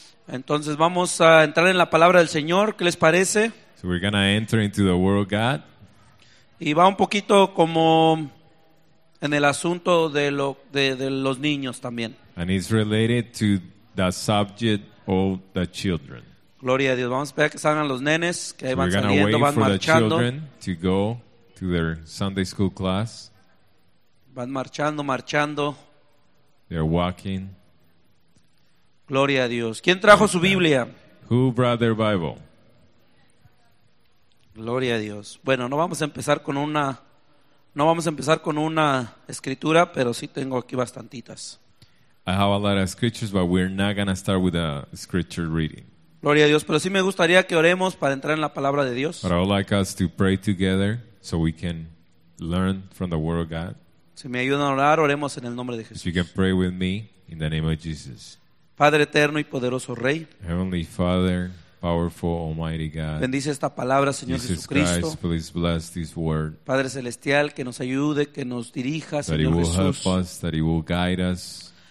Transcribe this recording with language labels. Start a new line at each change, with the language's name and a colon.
Spanish: Entonces vamos a entrar en la palabra del Señor. ¿Qué les parece?
English: So we're going to enter into the word of God.
Spanish: Y va un poquito como en el asunto de, lo, de los niños también.
English: And it's related to the subject of the children.
Spanish: Gloria a Dios. Vamos a esperar que salgan los nenes, que ahí van saliendo,
English: wait
Spanish: van
English: for
Spanish: marchando.
English: The children to go to their Sunday school class.
Spanish: Van marchando, marchando.
English: They're walking.
Spanish: Gloria a Dios. ¿Quién trajo okay. su Biblia?
English: Who brought their Bible?
Spanish: Gloria a Dios. Bueno, no vamos a empezar con una escritura, pero sí tengo aquí bastantitas.
English: I have a lot of scriptures, but we're not going to start with a scripture reading.
Spanish: Gloria a Dios, pero sí me gustaría que oremos para entrar en la palabra de Dios.
English: But I would like us to pray together so we can learn from the word of God.
Spanish: Si me ayudan a orar, oremos en el nombre de Jesús.
English: If you can pray with me in the name of Jesus.
Spanish: Padre eterno y poderoso Rey.
English: Heavenly Father, powerful almighty God.
Spanish: Bendice esta palabra, Señor Jesucristo.
English: Jesus Christ, please bless this word.
Spanish: Padre celestial, que nos ayude, que nos dirija, Señor Jesús.
English: That he will help us, that he will guide us.